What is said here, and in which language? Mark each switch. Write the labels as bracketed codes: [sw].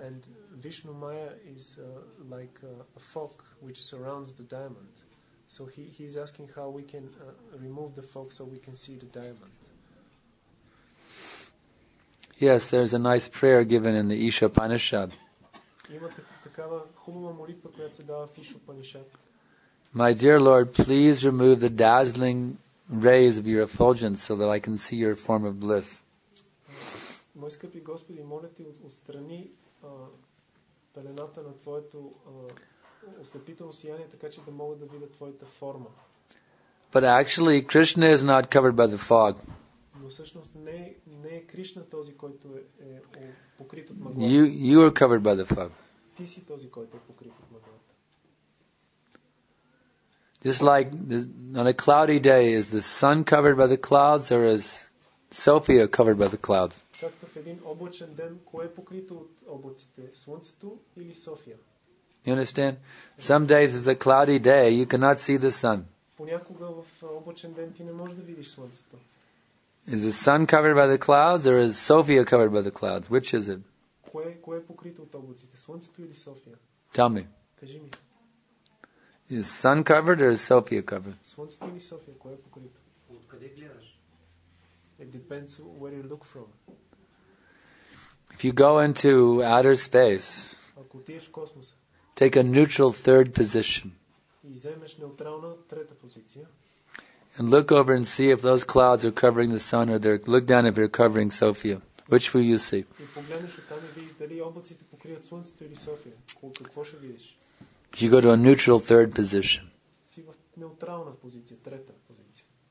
[en] And Vishnu Maya is like a fog which surrounds the diamond. So he's asking how we can remove the fog so we can see the diamond. Yes, there's a nice prayer given in the Isha Upanishad. [bg] Има такава хубава молитва, която се дава в Иша Упанишад. [en] My dear Lord, please remove the dazzling rays of your effulgence so that I can see your form of bliss. [bg] Мой скъпи Господи, моля ти, отстрани пелената на твоето ослепително сияние, така че да мога да видя твоята форма. [en] But actually Krishna is not covered by the fog. [bg] Но всъщност не е Кришна този, който е покрит от мъглата. [en] You are covered by the fog. [bg] Ти си този, който е покрит от мъглата. [en] Just like on a cloudy day, is the sun covered by the clouds or is Sophia covered by the clouds? [bg] Както в един облачен ден, кое е покрито от облаците? Слънцето или София? [en] You understand? Some days it's a cloudy day, you cannot see the sun. [bg] Понякога в облачен ден ти не можеш да видиш слънцето. [en] Is the sun covered by the clouds or is Sophia covered by the clouds? Which is it? [bg] Кое е покрито от облаците? Слънцето или София? [en] Tell me. [bg] Кажи ми. [en] Is sun covered or is Sophia covered? [bg] Слънцето или София, кое е покрито? Откъде гледаш? [en] It depends where you look from. If you go into outer space, [bg] ако отидеш в космоса, [en] take a neutral third position. [bg] И вземеш неутрална трета позиция. [en] And look over and see if those clouds are covering the sun or they're look down if they're covering Sophia. Which will you see? [bg] И погледнеш оттам и видиш дали облаците покриват слънцето или София. Какво ще видиш? [en] You go to a neutral third position. [bg] Си в неутрална позиция, трета позиция.